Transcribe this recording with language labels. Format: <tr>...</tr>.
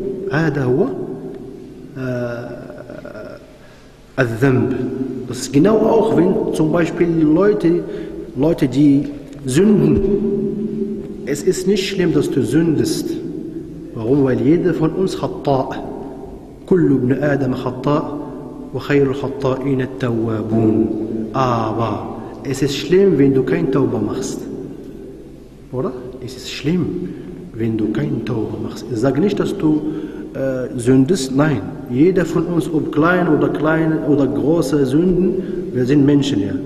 <ar>هذا هو الذنب.</ar> <de>Das ist genau auch, wenn zum Beispiel Leute, die sünden. Es ist nicht schlimm, dass du sündest. Warum? Weil jeder von uns خطأ.</de> <ar>كل ابن آدم خطأ وخير الخطائين التوابون.</ar> <de>Aber es ist schlimm, wenn du kein Taube machst. Oder? Es ist schlimm, wenn du kein Taube machst. Ich sage nicht, dass du sündest. Nein. Jeder von uns, ob klein oder große Sünden, wir sind Menschen, ja.</de>